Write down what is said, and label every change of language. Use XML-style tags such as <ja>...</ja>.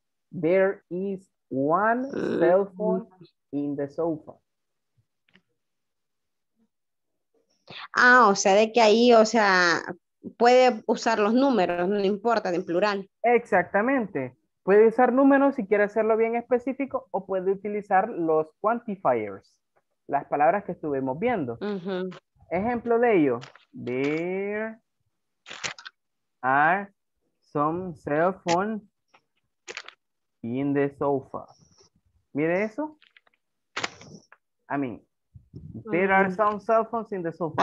<en>There is one cell phone in the sofa.</en> <es>Ah, o sea, de que ahí, o sea, puede usar los números, no importa, en plural. Exactamente. Puede usar números si quiere hacerlo bien específico o puede utilizar los quantifiers, las palabras que estuvimos viendo. Uh-huh. Ejemplo de ello.</es> <en>There are some cell phones in the sofa.</en> <es>Mire eso.</es> <en>I mean, there are some cell phones in the sofa.</en>